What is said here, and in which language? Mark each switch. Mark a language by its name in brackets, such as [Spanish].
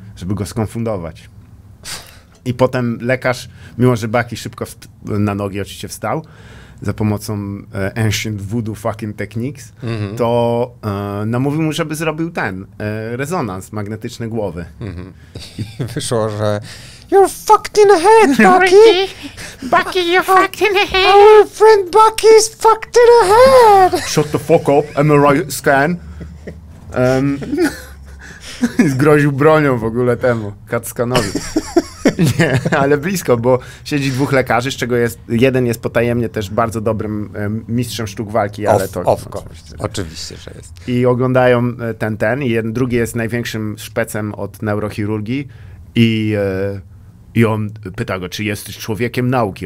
[Polish] Żeby go skonfundować. I potem lekarz, mimo że Baki szybko na nogi oczywiście wstał, za pomocą [English] ancient voodoo fucking techniques, [Polish] to namówił mu, żeby zrobił ten rezonans magnetyczny głowy. I wyszło, że [English] you're fucked in the head, Bucky! Bucky, you're fucked in the head! Our friend Bucky is fucked in the head! Shut the fuck up, MRI scan! [Polish] I zgroził bronią w ogóle temu, CAT scanowi. Nie, ale blisko, bo siedzi dwóch lekarzy, z czego jest, jeden jest potajemnie też bardzo dobrym mistrzem sztuk walki, ale to... Ofko, oczywiście, że jest. I oglądają ten i jeden, drugi jest największym szpecem od neurochirurgii i on pyta go, czy jesteś człowiekiem nauki?